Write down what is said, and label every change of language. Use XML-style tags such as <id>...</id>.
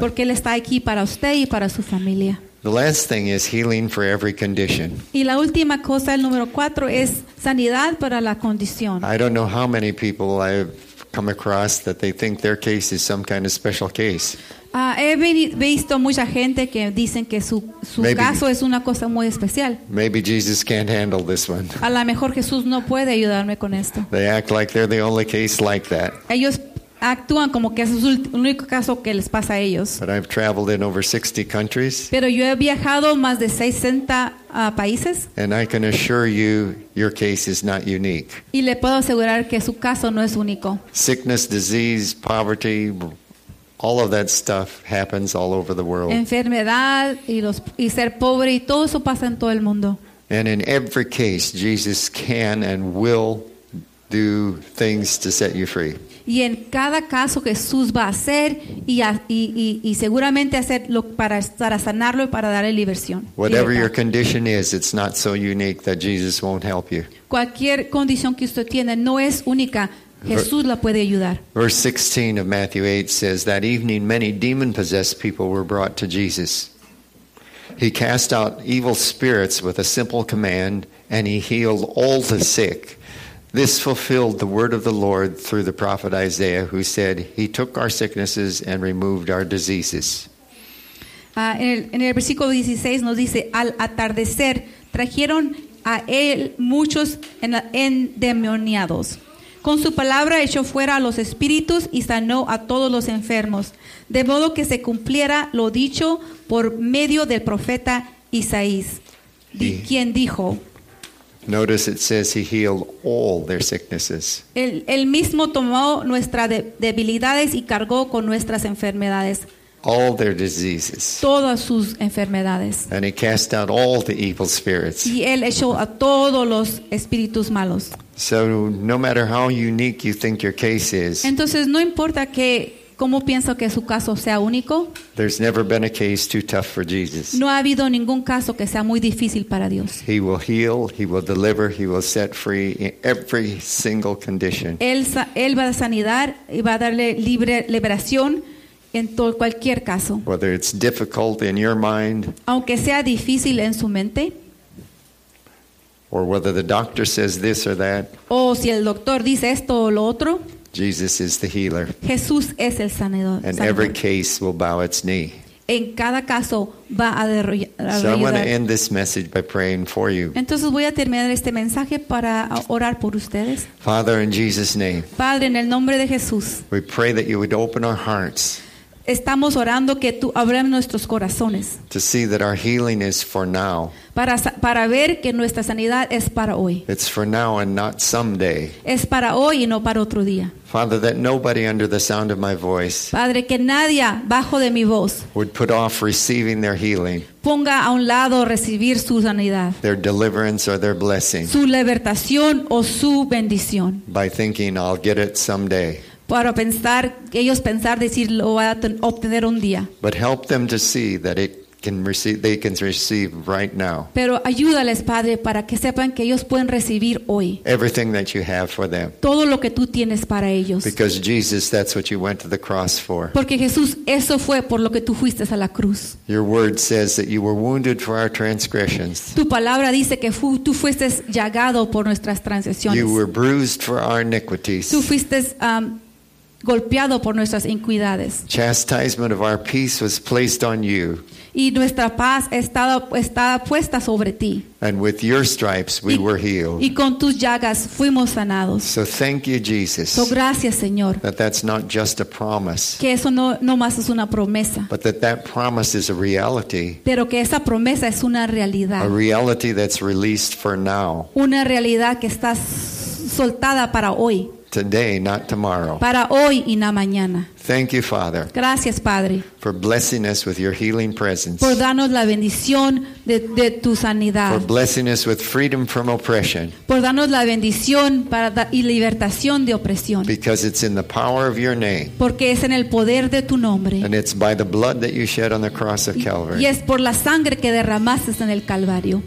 <es>Porque él está aquí para usted y para su familia.</es> <en>The last thing is healing for every condition.</en> <es>Y la última cosa, el número cuatro, es sanidad para la condición.</es> <en>I don't know how many people I've come across that they think their case is some kind of special case.</en> <es>He visto mucha gente que dicen que su caso es una cosa muy especial.</es> <en>Maybe Jesus can't handle this one.</en> <es>A lo mejor Jesús no puede ayudarme con esto.</es> <en>They act like they're the only case like that.</en> <es>Ellos actúan como que ese es el único caso que les pasa a ellos.</es> <en>But I've traveled in over 60 countries.</en> <es>Pero yo he viajado más de 60 países.</es> <en>And I can assure you, your case is not unique.</en> <es>Y le puedo asegurar que su caso no es único.</es> <en>Sickness, disease, poverty, all of that stuff happens all over the world.</en> <es>Enfermedad y ser pobre y todo eso pasa en todo el mundo.</es> <en>And in every case, Jesus can and will do things to set you free.</en> <es>Y en cada caso Jesús va a hacer y seguramente hacer lo para sanarlo y para darle liberación.</es> <en>Whatever your condition is, it's not so unique that Jesus won't help you.</en> <es>Cualquier condición que usted tiene no es única. Jesús la puede ayudar.</es> <en>Verse 16 of Matthew 8 says, that evening many demon-possessed people were brought to Jesus. He cast out evil spirits with a simple command, and he healed all the sick. This fulfilled the word of the Lord through the prophet Isaiah, who said, he took our sicknesses and removed our diseases.</en> <es>En el versículo 16 nos dice, al atardecer trajeron a él muchos endemoniados. Con su palabra echó fuera a los espíritus y sanó a todos los enfermos, de modo que se cumpliera lo dicho por medio del profeta Isaías, quien dijo.</es> <en>Notice it says he healed all their sicknesses.</en> <es>El mismo tomó nuestras debilidades y cargó con nuestras enfermedades.</es> <en>All their diseases.</en> <es>Todas sus enfermedades.</es> <en>And he cast out all the evil spirits.</en> <es>Y él echó a todos los espíritus malos.</es> <en>So no matter how unique you think your case is.</en> <es>Entonces no importa que cómo pienso que su caso sea único.</es> <en>There's never been a case too tough for Jesus.</en> <es>No ha habido ningún caso que sea muy difícil para Dios.</es> <en>He will heal, he will deliver, he will set free in every single condition.</en> <es>Él va a sanar y va a darle libre liberación en todo cualquier caso.</es> <en>Whether it's difficult in your mind.</en> <es>Aunque sea difícil en su mente.</es> <en>Or whether the doctor says this or that.</en> <es>O si el doctor dice esto o lo otro.</es> <en>Jesus is the healer.</en> <es>Jesús es el sanador.</es> <en>And every case will bow its knee.</en> <es>En cada caso va a arrodillarse.</es> <en>So I'm going to end this message by praying for you.</en> <es>Entonces voy a terminar este mensaje para orar por ustedes.</es> <en>Father, in Jesus' name.</en> <es>Padre, en el nombre de Jesús.</es> <en>We pray that you would open our hearts.</en> <es>Estamos orando que tú abras nuestros corazones.</es> <en>To see that our healing is for now.</en> <es>Para ver que nuestra sanidad es para hoy.</es> <en>It's for now and not someday.</en> <es>Es para hoy y no para otro día.</es> <en>Father, that nobody under the sound of my voice.</en> <es>Padre, que nadie bajo de mi voz.</es> <en>Would put off receiving their healing.</en> <es>Ponga a un lado recibir su sanidad.</es> <en>Their deliverance or their blessing.</en> <es>Su libertación o su bendición.</es> <en>By thinking I'll get it someday.</en> <es>Para pensar, ellos pensar, decir, lo voy a obtener un día.</es> <en>But help them to see that it can receive, they can receive right now.</en> <es>Pero ayúdales, Padre, para que sepan que ellos pueden recibir hoy.</es> <en>Everything that you have for them.</en> <es>Todo lo que tú tienes para ellos.</es> <en>Because Jesus, that's what you went to the cross for.</en> <es>Porque Jesús, eso fue por lo que tú fuiste a la cruz.</es> <en>Your word says that you were wounded for our transgressions.</en> <es>Tu palabra dice que tú fuiste llagado por nuestras transgresiones.</es> <en>You were bruised for our iniquities.</en> <es>Tú fuiste golpeado por nuestras iniquidades.</es> <en>Chastisement of our peace was placed on you.</en> <es>Y nuestra paz estaba puesta sobre ti.</es> <en>And with your stripes we were healed.</en> <es>Y con tus llagas fuimos sanados.</es> <en>So thank you, Jesus.</en> <es>So gracias, Señor.</es> <en>That's not just a promise.</en> <es>Que eso no más es una promesa.</es> <en>But that promise is a reality.</en> <es>Pero que esa promesa es una realidad.</es> <en>A reality that's released for now.</en> <es>Una realidad que estás soltada para hoy.</es> <en>today, not tomorrow.</en> <es>Para hoy y no mañana.</es> <en>Thank you, Father.</en> <es>Gracias, Padre.</es> <en>For blessing us with your healing presence.</en> <es>Por darnos la bendición de tu sanidad.</es> <en>For blessing us with freedom from oppression.</en> <es>Por darnos la bendición y libertación de opresión.</es> <en>Because it's in the power of your name.</en> <es>Porque es en el poder de tu nombre.</es> <en>And it's by the blood that you shed on the cross of Calvary.</en> <es>Y es por la sangre que derramaste en el Calvario.</es>